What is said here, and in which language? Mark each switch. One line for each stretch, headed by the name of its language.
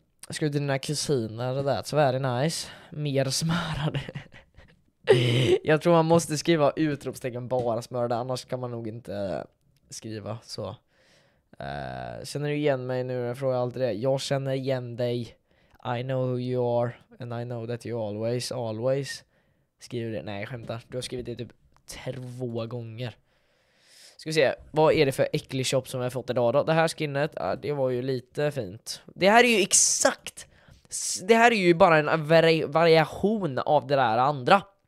Swedish: Ska du till dina kusiner där? Så är det nice. Mer smörade. Jag tror man måste skriva utropstecken bara smörade, annars kan man nog inte skriva så. Känner du igen mig nu? Jag frågar alltid det. Jag känner igen dig.
English: I know who you are. And I know that you always.
Swedish: Skriver det. Nej, skämtar. Du har skrivit det typ två gånger. Ska vi se, vad är det för äcklig shop som vi har fått idag då? Det här skinnet, ja, det var ju lite fint. Det här är ju exakt. Det här är ju bara en variation av det där andra.